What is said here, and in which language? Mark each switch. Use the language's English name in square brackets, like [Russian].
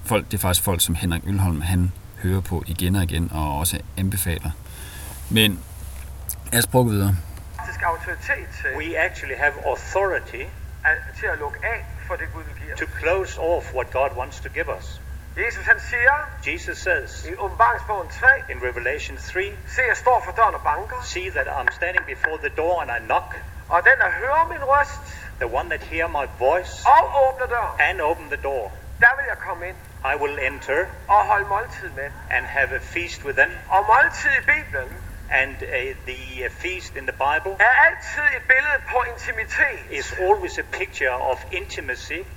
[Danish] Det er faktisk folk, som Henrik Ølholm, han hører på igen og igen, og også anbefaler. Men lad os prøve videre. Autoritet. [English] We actually have authority [Danish] til at lukke af for det, Gud vil give os. [English] To close off what God wants to give us. [Danish] Jesus han siger, [English] Jesus says, [Danish] i Åbenbaringsbogen 3, [English] in Revelation 3, [Danish] se, jeg står for døren og banker. [English] See that I'm standing before the door and I knock. [Danish] Og den, der hører min røst, [English] the one that hear my voice, [Danish] og åbner døren, [English] and open the door. [Danish] Der vil jeg komme ind. [English] I will enter, [Danish] og holde måltid med, [English] and have a feast with them. [Danish] Og måltid i Bibelen, [English] and the feast in the Bible, [Danish] er altid et billede på intimitet, [English] is always a picture of intimacy,